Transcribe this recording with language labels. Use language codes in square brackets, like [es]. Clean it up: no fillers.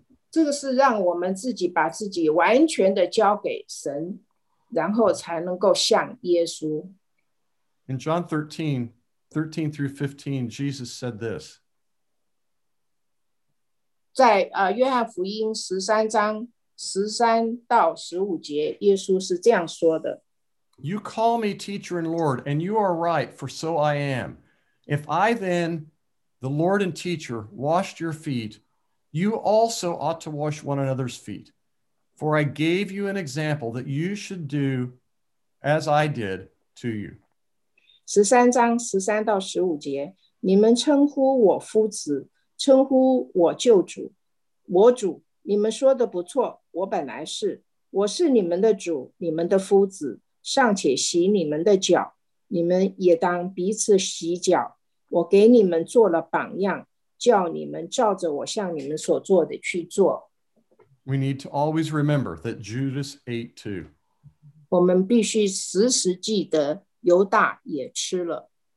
[zh] 这个是让我们自己把自己完全的交给神，然后才能够像耶稣。 [en] In John 13 through 15, Jesus said this. [zh] 在约翰福音13章13到15节，耶稣是这样说的。 [en] You call me teacher and Lord, and you are right, for so I am. If I then, the Lord and teacher, washed your feet, you also ought to wash one another's feet. For I gave you an example that you should do as I did to you. [zh] 13章13到15节，你们称呼我夫子，称呼我救主，我主，你们说的不错，我本来是，我是你们的主，你们的夫子。尚且洗你们的脚，你们也当彼此洗脚。我给你们做了榜样，叫你们照着我向你们所做的去做。 [en] We need to always remember that Judas ate too. [zh] 我们必须时时记得犹大也吃了。